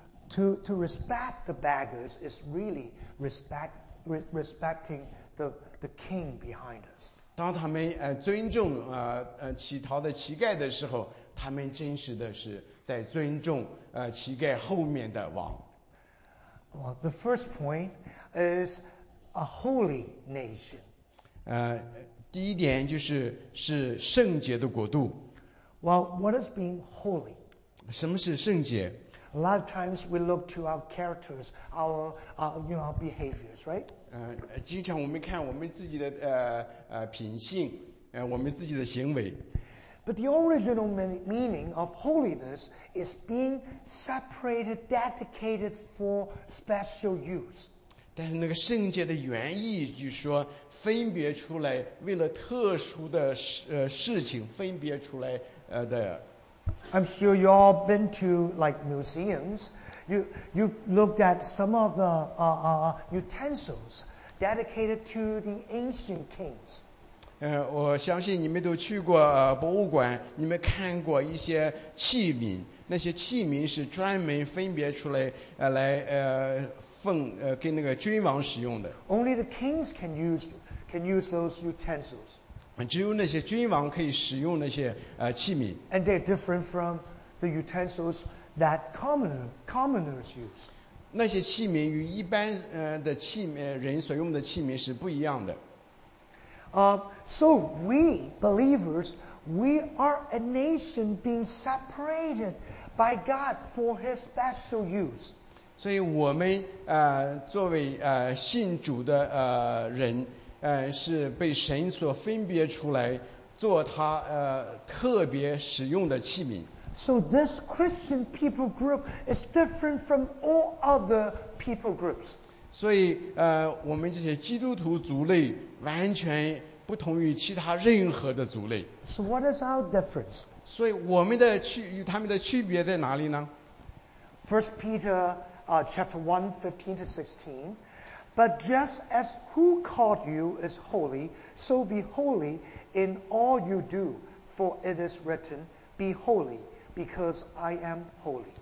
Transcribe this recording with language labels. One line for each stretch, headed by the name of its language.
English: To respect the beggars is really respecting the king behind us.
Chinese: 当他们尊重乞讨的乞丐的时候，他们真实的是在尊重乞丐后面的王。
English: Well, the first point is a holy nation.
Chinese: 第一点就是是圣洁的国度。
English: Well, what is being holy?
Chinese: 什么是圣洁？
English: A lot of times we look to our characters, our behaviors, right?
Chinese: 经常我们看我们自己的品性，我们自己的行为。
English: But the original meaning of holiness is being separated, dedicated for special use.
Chinese: 但是那个圣洁的原意就是说分别出来为了特殊的事情分别出来的。
English: I'm sure you all been to like museums. You looked at some of the utensils dedicated to the ancient kings.
Chinese: 我相信你们都去过博物馆，你们看过一些器皿，那些器皿是专门分别出来来奉给那个君王使用的。
English: Only the kings can use those utensils.
Chinese: 只有那些君王可以使用那些器皿。
English: And they're different from the utensils that commoners use.
Chinese: 那些器皿与一般的器皿人所用的器皿是不一样的。
English: So we believers, we are a nation being separated by God for His special use.
Chinese: 所以我们作为信主的人，是被神所分别出来做他特别使用的器皿。
English: So this Christian people group is different from all other people groups.
Chinese: 所以我们这些基督徒族类完全不同于其他任何的族类。
English: So what is our difference?
Chinese: 所以我们的与他们的区别在哪里呢？
English: 1 Peter chapter 1, 15 to 16. But just as who called you is holy, so be holy in all you do, for it is written, be holy, because I am holy.